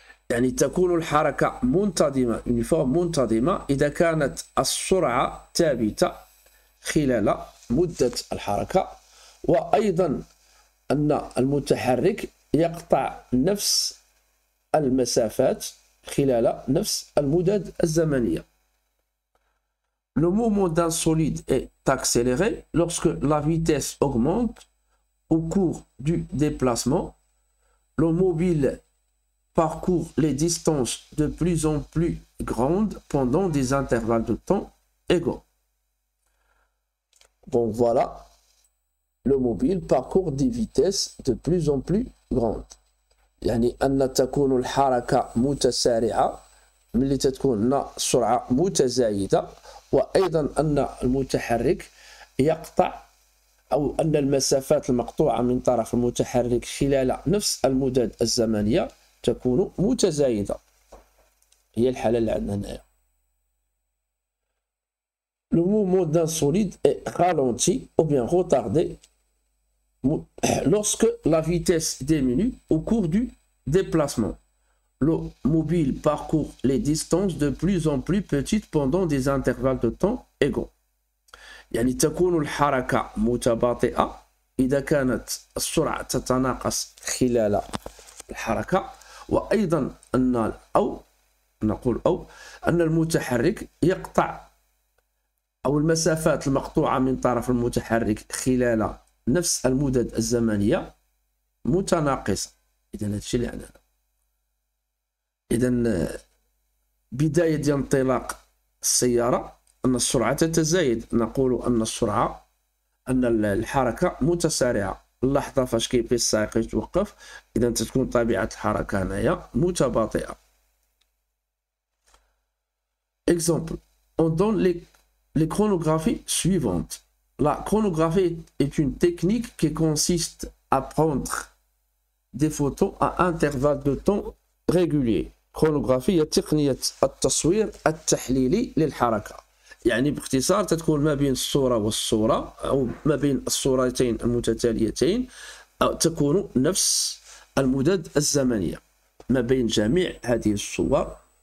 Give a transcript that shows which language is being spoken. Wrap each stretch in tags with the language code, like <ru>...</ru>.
<ar>يعني تكون الحركة منتظمة uniforme منتظمة إذا كانت السرعة ثابتة خلال مدة الحركة وأيضا أن المتحرك يقطع نفس المسافات خلال نفس المدد الزمنية.</ar> <fr>Le mouvement d'un solide est accéléré lorsque la vitesse augmente au cours du déplacement. Le mobile parcourt les distances de plus en plus grandes pendant des intervalles de temps égaux. Bon, voilà. Le mobile parcourt des vitesses de plus en plus grandes.</fr> <ar>يعني أن تكون الحركة متسارعة ملي تتكون سرعة متزايدة. وأيضا أن المتحرك يقطع أو أن المسافات المقطوعة من طرف المتحرك خلال نفس المدد الزمنية تكون متزايدة هي الحالة اللي عندنا هنا. Le mouvement d'un solide est ralenti ou bien retardé lorsque la vitesse diminue au cours du déplacement. Le mobile parcourt les distances de plus en plus petites pendant des intervalles de temps égaux. يعني تكون الحركة متباطئة إذا كانت السرعة تتناقص خلال الحركة وأيضا أن أو نقول أو أن المتحرك يقطع أو المسافات المقطوعة من طرف المتحرك خلال نفس المدد الزمنية متناقصة. إذا هذا الشيء اللي عندنا. إذن بداية انطلاق السيارة أن السرعة تتزايد، نقول أن السرعة أن الحركة متسارعة. اللحظة فاش كيبي السائق يتوقف، إذن تكون طبيعة الحركة هنايا متباطئة.</ar> <fr>Example: on donne les chronographies suivantes. La chronographie est une technique qui consiste à prendre des photos à intervalles de temps réguliers.</fr> <ar>كرونوغرافي هي تقنية التصوير التحليلي للحركة. يعني باختصار تتكون ما بين الصورة والصورة أو ما بين الصورتين المتتاليتين أو تكون نفس المدد الزمنية ما بين جميع هذه الصور.</ar>